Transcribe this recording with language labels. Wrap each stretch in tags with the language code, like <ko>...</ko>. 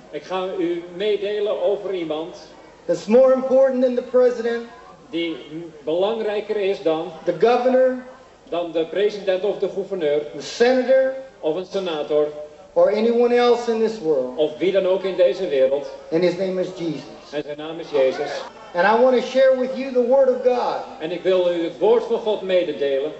<nl>Ik ga u meedelen over iemand.</nl> <en>That's more important than the president.</en> <nl>Die belangrijker is dan</nl> <en>the governor,</en> <nl>dan de president of de gouverneur,</nl> <en>the senator,</en> <nl>of een senator,</nl> <en>or anyone else in this world,</en> <nl>of wie dan ook in deze wereld.</nl> <en>And his name is Jesus.</en> <nl>En zijn naam is Jezus.</nl> <en>And I want to share with you the word of God.</en> <nl>En ik wil u het woord van God mededelen.</nl>